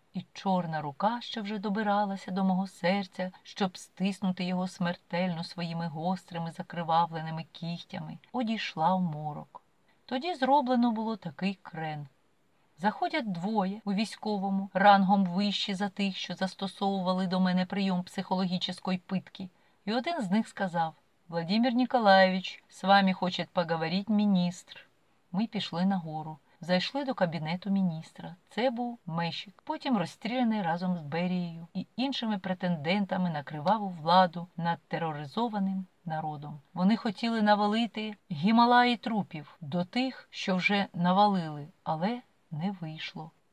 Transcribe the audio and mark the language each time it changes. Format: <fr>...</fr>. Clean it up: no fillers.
<uk>І чорна рука, що вже добиралася до мого серця, щоб стиснути його смертельно своїми гострими закривавленими кігтями, одійшла в морок. Тоді зроблено було такий крен. Заходять двоє у військовому, рангом вищі за тих, що застосовували до мене прийом психологічної питки. І один з них сказав:</uk> <ru>«Владимир Николаевич, с вами хочет поговорить министр».</ru> <uk>Ми пішли нагору. Зайшли до кабінету міністра. Це був Мещик, потім розстріляний разом з Берією і іншими претендентами на криваву владу над тероризованим народом. Вони хотіли навалити гімалаї трупів до тих, що вже навалили, але не вийшло.</uk>